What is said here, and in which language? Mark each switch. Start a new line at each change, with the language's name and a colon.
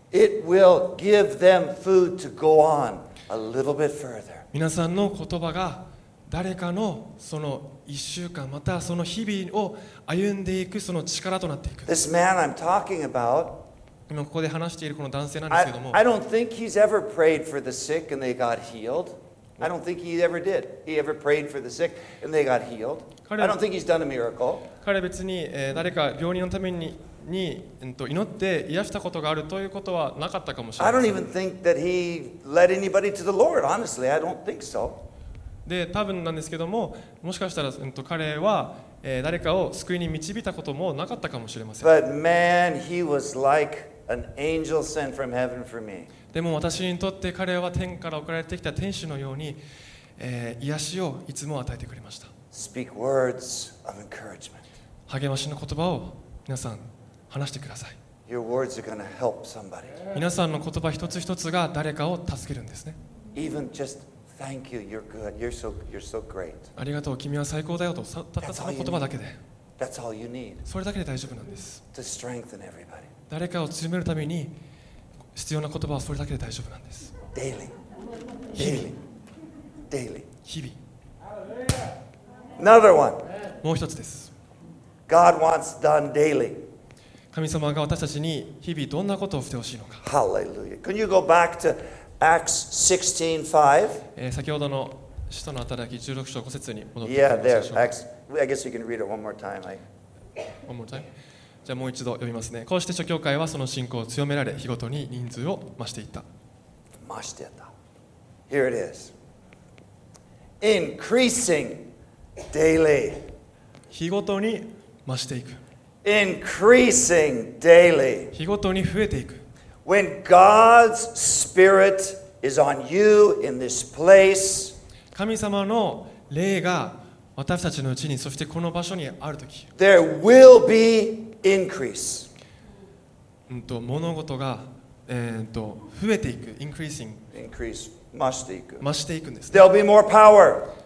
English: It will give them food to go on a little bit further.
Japanese: 皆さんの言葉が誰かのその一週間またその日々を歩んでいくその力となっていく。
English: This man I'm talking about,
Japanese: 今ここで話しているこの男性なんですけども、
English: I don't think he's ever prayed for the sick and they got healed. I don't think he ever did. He ever prayed for the sick and they got healed. I don't think he's done a miracle.
Japanese: 彼は別に誰か病人のために祈って癒したことがあるということはなかったかもしれない。
English: I don't even think that he led anybody to the Lord. Honestly, I don't think so.
Japanese: で多分なんですけども、もしかしたら、彼は、誰かを救いに導いたこともなかったかもしれません。
English: But man, he was like an angel sent from heaven for me.
Japanese: でも私にとって彼は天から送られてきた天使のように、癒しをいつも与えてくれました。
English: Speak words of encouragement.
Japanese: 励ましの言葉を皆さん話してください。
English: Your words are going to help somebody.
Japanese: 皆さんの言葉一つ一つが誰かを助けるんですね。
English: Even justThank you. You're good. You're so great.
Japanese: ありがとう。君は最高だよと、たったその言葉だけで。
English: That's all you need.
Japanese: それだけで大丈夫なんです。
English: To strengthen everybody.
Japanese: 誰かを強めるために必要な言葉はそれだけで大丈夫なんです。
English: Daily. Daily. Daily.
Japanese: 日々。
English: Another one.
Japanese: もう一つです。
English: God wants done daily.
Japanese: 神様が私たちに日々どんなことをしてほしいのか。
English: Hallelujah. Can you go back to Acts 16:5.
Japanese: 先ほどの使徒の働き16章5節に戻ってきましょう。
English: Yeah, there. Acts. I guess you can read it one more time. One more time.
Japanese: じゃあもう一度読みますね。こうして諸教会はその信仰を強められ、日ごとに人数を増していった。増していった。
English: Here it is. Increasing daily.
Japanese: 日ごとに増していく。
English: Increasing daily.
Japanese: 日ごとに増えていく。
English: When God's Spirit is on you in this place,
Japanese: 神様の霊が私たちのうちに、そしてこの場所にあるとき、
English: there will be increase.
Japanese: 物事が、増えていく、
English: increasing、 increase、
Japanese: 増していく、増していくんです。
English: There'll be more power、